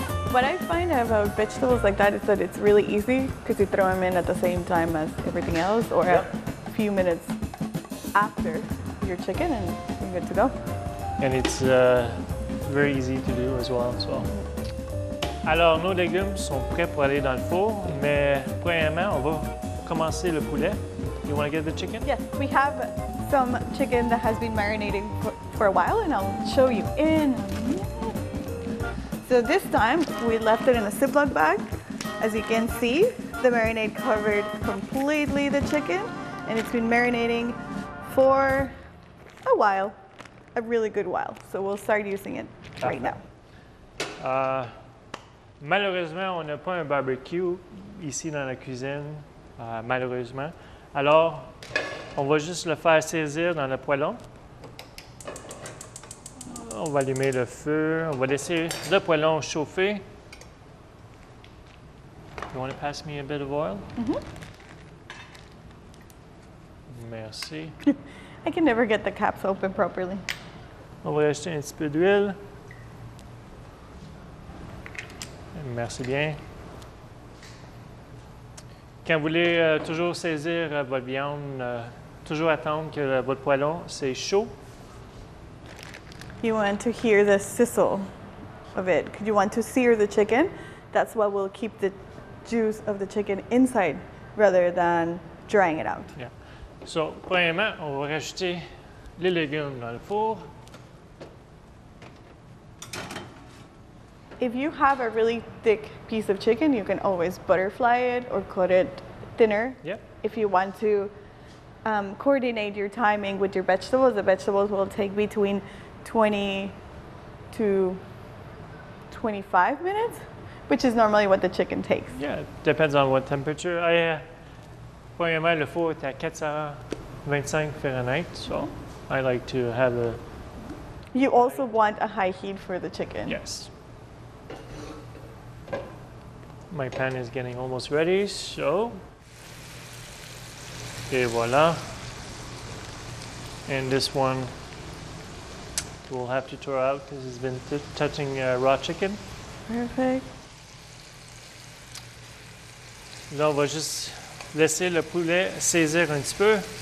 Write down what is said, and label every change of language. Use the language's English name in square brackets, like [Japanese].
[English] What I find about vegetables like that is that it's really easy because you throw them in at the same time as everything else or yep. A few minutes after your chicken and you're good to go. And it's very easy to do as well. So. [French] Alors, nos légumes sont prêts pour aller dans le four, mais premièrement, on va commencer le poulet. [English] You want to get the chicken? Yes, we have some chicken that has been marinating for a while, and I'll show you in. So this time we left it in a Ziploc bag. As you can see, the marinade covered completely the chicken, and it's been marinating for a while, a really good while. So we'll start using it right now. [French] Malheureusement, on n'a pas un barbecue ici dans la cuisine, malheureusement. Alors, on va juste le faire saisir dans le poêlon. On va allumer le feu. On va laisser le poêlon chauffer. [English] You want to pass me a bit of oil? Mm-hmm. [French] Merci. [English] I can never get the caps open properly. [French] On va acheter un petit peu d'huile. Merci bien. Quand vous voulez toujours saisir votre viande, toujours attendre que votre poêlon c'est chaud. [English] You want to hear the sizzle of it. You want to sear the chicken. That's what will keep the juice of the chicken inside rather than drying it out. Yeah. [French] So, premièrement, on va rajouter les légumes dans le four. [English] If you have a really thick piece of chicken, you can always butterfly it or cut it thinner. Yeah. If you want to coordinate your timing with your vegetables, the vegetables will take between 20 to 25 minutes, which is normally what the chicken takes. Yeah, it depends on what temperature. [French] Premièrement, le four est à 425 Fahrenheit, [English] so I like to have a... You also want a high heat for the chicken. Yes. My pan is getting almost ready, so... [French] Et voilà. [English] And this one... We'll have to throw out because it's been touching raw chicken. Perfect. [French] Là, on va juste laisser le poulet saisir un petit peu.